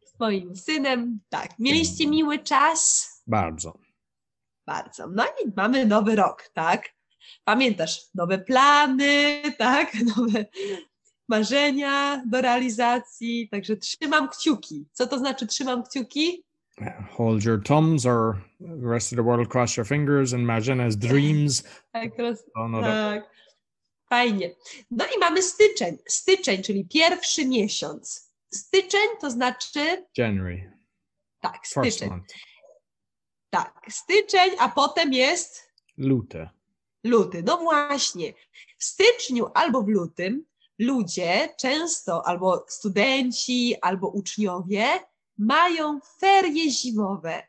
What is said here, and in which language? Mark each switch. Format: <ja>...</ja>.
<pl>Z moim synem, tak. Mieliście miły czas? Bardzo. Bardzo. No i mamy nowy rok, tak? Pamiętasz, nowe plany, tak? Nowe marzenia do realizacji. Także trzymam kciuki. Co to znaczy trzymam kciuki?</pl> <en>Hold your thumbs or the rest of the world cross your fingers and imagine as dreams.</en> <pl>Tak, tak. Fajnie. No i mamy styczeń. Styczeń, czyli pierwszy miesiąc. Styczeń to znaczy...</pl> <en>January.</en> <pl>Tak, styczeń. Tak, styczeń, a potem jest... Luty. Luty, no właśnie. W styczniu albo w lutym ludzie często, albo studenci, albo uczniowie mają ferie zimowe.</pl>